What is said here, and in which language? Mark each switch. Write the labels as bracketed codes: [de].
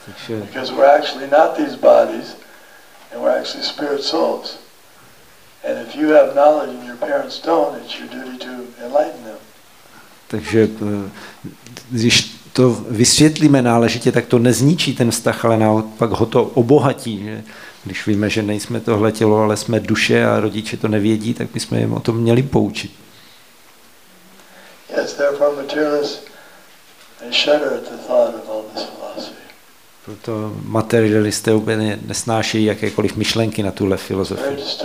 [en] Because we're actually not these bodies and we're actually spirit souls. And if you have knowledge and your parents don't, it's your duty to enlighten them. [cs] Takže když to vysvětlíme náležitě, tak to nezničí ten vztah, ale naopak ho to obohatí. Že? Když víme, že nejsme tohle tělo, ale jsme duše a rodiče to nevědí, tak bychom jim o tom měli poučit. [en] Yes, therefore materialists, they shudder at the thought of all this philosophy. [cs] Proto materialisté úplně nesnáší jakékoliv myšlenky na tuhle filozofii.